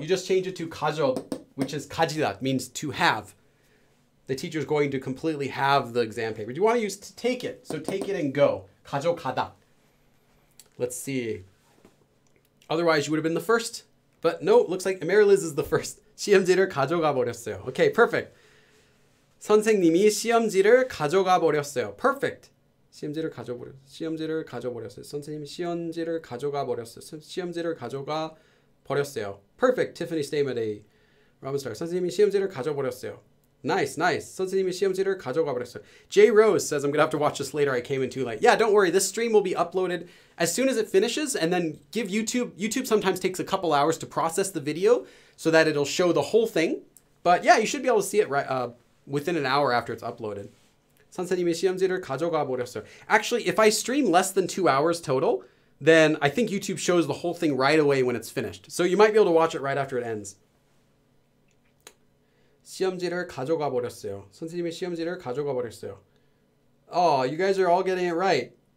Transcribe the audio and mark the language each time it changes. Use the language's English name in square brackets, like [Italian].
[English] You just changed it to 가져, which is 가지다, means to have. The teacher is going to completely have the exam paper. You want to use to take it. So take it and go. 가져가다. Let's see. Otherwise, you would have been the first. But no, looks like Mary Liz is the first. [Korean] 시험지를 가져가 버렸어요. [English] Okay, perfect. [Korean] 선생님이 시험지를 가져가 버렸어요. [English] Perfect. [Korean] 시험지를 가져 버렸어요. 시험지를 가져 버렸어요. 선생님이 시험지를 가져가 버렸어요. 시험지를 가져가 버렸어요. [English] Perfect. Tiffany statement A. Robin Star. [Korean] 선생님이 시험지를 가져 버렸어요. [English] Nice, nice. [Korean] 선생님이 시험지를 가져가 버렸어요. [English] Jay Rose says, I'm going to have to watch this later. I came in too late. Yeah, don't worry. This stream will be uploaded as soon as it finishes and then give YouTube. YouTube sometimes takes a couple hours to process the video so that it'll show the whole thing. But yeah, you should be able to see it right within an hour after it's uploaded. [Korean] 선생님이 시험지를 가져가 버렸어요. [English] Actually, if I stream less than 2 hours total, then I think YouTube shows the whole thing right away when it's finished. So you might be able to watch it right after it ends. [Korean] 시험지를 가져가 버렸어요. 선생님이 시험지를 가져가 버렸어요. [English] Oh, you guys are all getting it right.